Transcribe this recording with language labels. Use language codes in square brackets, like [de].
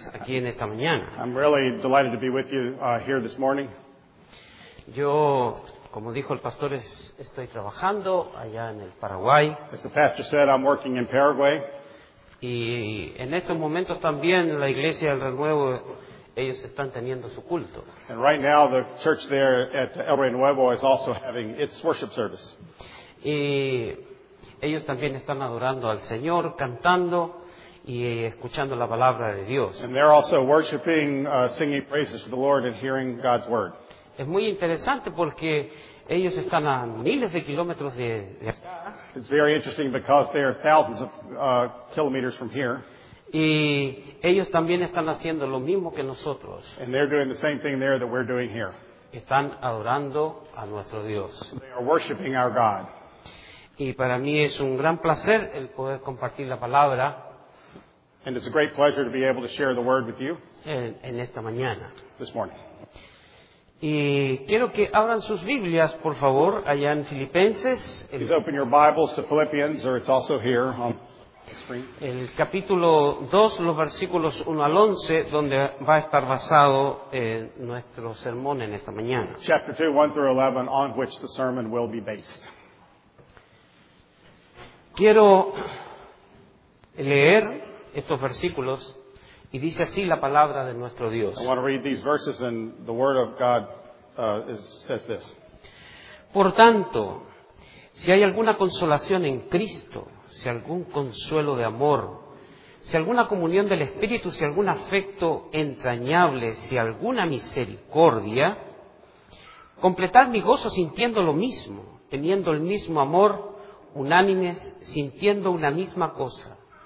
[en] I'm really delighted to be with you here this morning. [es] Yo, como dijo el pastor, estoy trabajando allá en el Paraguay. [en] As the pastor said, I'm working in Paraguay. [es] Y en estos momentos también la iglesia del Renuevo, ellos están teniendo su culto. [en] And right now the church there at El Renuevo is also having its worship service. [es] Y ellos también están adorando al Señor, cantando y escuchando la palabra de Dios. [en] And they're also worshiping, singing praises to the Lord and hearing God's word. [es] Es muy interesante porque ellos están a miles de kilómetros de acá. [en] It's very interesting because they're thousands of kilometers from here. [es] Y ellos también están haciendo lo mismo que nosotros. [en] And they're doing the same thing there that we're doing here. [es] Están adorando a nuestro Dios. [en] They are worshiping our God. [es] Y para mí es un gran placer el poder compartir la palabra. [en] And it's a great pleasure to be able to share the word with you. [es] En esta mañana. [en] This morning. [es] Y quiero que abran sus Biblias, por favor, allá en Filipenses. [en] Please open your Bibles to Philippians, or it's also here on the screen. [es] El capítulo 2, los versículos 1 al 11, donde va a estar basado en nuestro sermón en esta mañana. [en] Chapter 2, 1 through 11, on which the sermon will be based. [es] Quiero leer estos versículos y dice así la palabra de nuestro Dios. [en] I want to read these verses and the word of God says this. [es] Por tanto, si hay alguna consolación en Cristo, si algún consuelo de amor, si alguna comunión del Espíritu, si algún afecto entrañable, si alguna misericordia, completad mi gozo sintiendo lo mismo, teniendo el mismo amor, unánimes, sintiendo una misma cosa.